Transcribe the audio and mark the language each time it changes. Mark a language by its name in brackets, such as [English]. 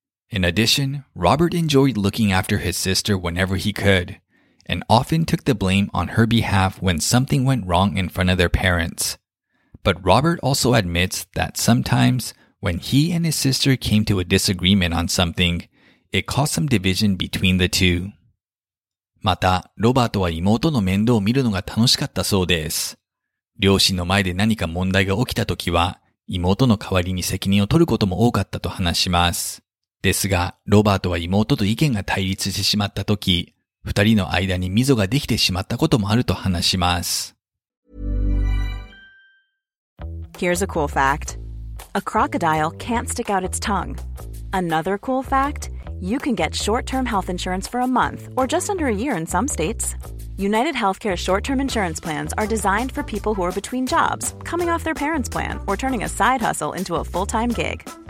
[English] In addition, Robert enjoyed looking after his sister whenever he could, and often took the blame on her behalf when something went wrong in front of their parents. But Robert also admits that sometimes, when he and his sister came to a disagreement on something, it caused some division between the two. [Japanese] また、ロバートは妹の面倒を見るのが楽しかったそうです。両親の前で何か問題が起きたときは、妹の代わりに責任を取ることも多かったと話します。ですが、ロバートは妹と意見が対立してしまったとき、二人の間に溝ができてしまったこともあると話します。 [English] Here's a cool fact. A crocodile can't stick out its tongue. Another cool fact, you can get short-term health insurance for a month or just under a year in some states. UnitedHealthcare short-term insurance plans are designed for people who are between jobs, coming off their parents' plan, or turning a side hustle into a full-time gig.